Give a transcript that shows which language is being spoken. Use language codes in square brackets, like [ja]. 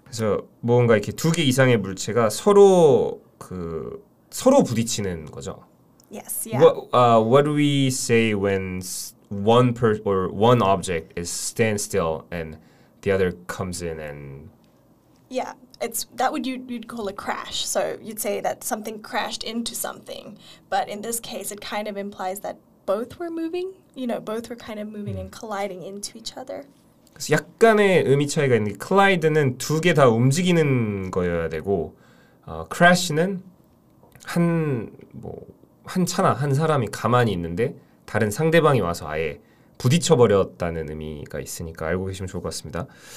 [ko] 그래서 뭔가 이렇게 두 개 이상의 물체가 서로 부딪히는 거죠. [en] Yes. Yeah. What do we say when one object is stand still and the other comes in and? Yeah, you'd call a crash. So you'd say that something crashed into something. But in this case, it kind of implies that both were moving. You know, both were kind of moving and colliding into each other. [ko] 그래서 약간의 의미 차이가 있는 게 collide는 두 개 다 움직이는 거여야 되고 crash는 한 차나 한 사람이 가만히 있는데 다른 상대방이 와서 아예 부딪혀버렸다는 의미가 있으니까 알고 계시면 좋을 것 같습니다.